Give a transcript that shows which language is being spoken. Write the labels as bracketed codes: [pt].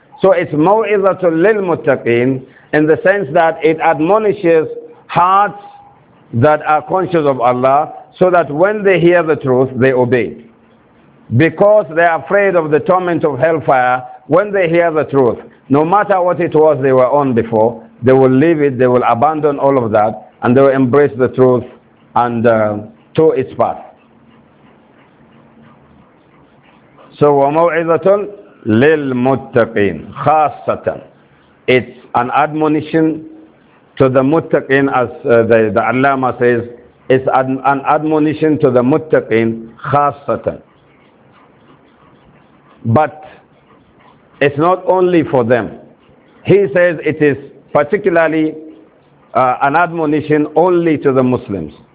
[en] So it's maw'izatun lil muttaqin in the sense that it admonishes hearts that are conscious of Allah, so that when they hear the truth, they obey. Because they are afraid of the torment of hellfire, when they hear the truth, no matter what it was they were on before, they will leave it, they will abandon all of that, and they will embrace the truth and to its path. [ar] So, وَمَوْعِذَةٌ لِلْمُتَّقِينَ خَاصَّةً. [en] It's an admonition to the muttaqin, as the Allama says, it's an admonition to the muttaqin khasatan. But it's not only for them. He says it is particularly an admonition only to the Muslims.